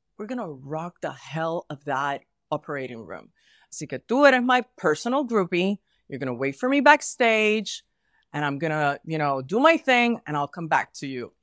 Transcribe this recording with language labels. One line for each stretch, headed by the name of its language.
English: We're gonna rock the hell of that operating room.
Spanish: Así que tú eres
English: my personal groupie. You're gonna wait for me backstage and I'm gonna, do my thing and I'll come back to you.